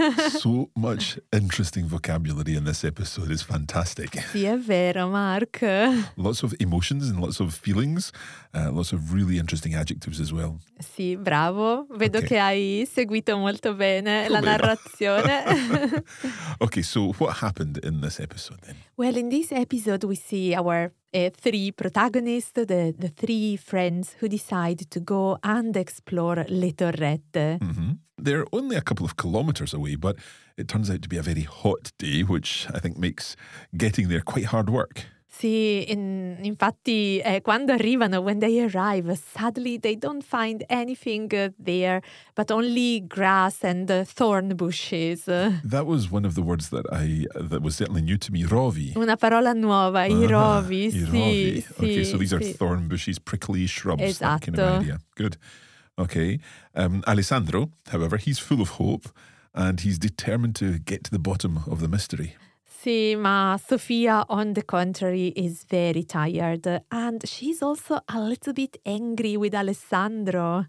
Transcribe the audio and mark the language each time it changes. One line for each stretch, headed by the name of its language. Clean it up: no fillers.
English: So much interesting vocabulary in this episode. It's fantastic.
Italian: Sì, è vero, Mark.
English: Lots of emotions and lots of feelings. Lots of really interesting adjectives as well.
Italian: Sì, bravo. Vedo okay. che hai seguito molto bene Come la narrazione.
English: Okay, so what happened in this episode then? Well, in this episode we see our three protagonists, the three friends who decide to go and explore Le Torrette. Mm-hmm. They're only a couple of kilometers away, but it turns out to be a very hot day, which I think makes getting there quite hard work.
Italian: Sì, infatti, quando arrivano,
English: when they arrive, sadly they don't find anything there, but only grass and thorn bushes. That was one of the words that was certainly new to me, rovi.
Italian: Una parola nuova, i rovi, sì.
English: Okay, so these are thorn bushes, prickly shrubs,
Italian: esatto.
English: That kind of idea. Good. Okay. Alessandro, however, he's full of hope and he's determined to get to the bottom of the mystery.
Italian: Sì, ma
English: Sofia, on the contrary, is very tired and she's also a little bit angry with Alessandro.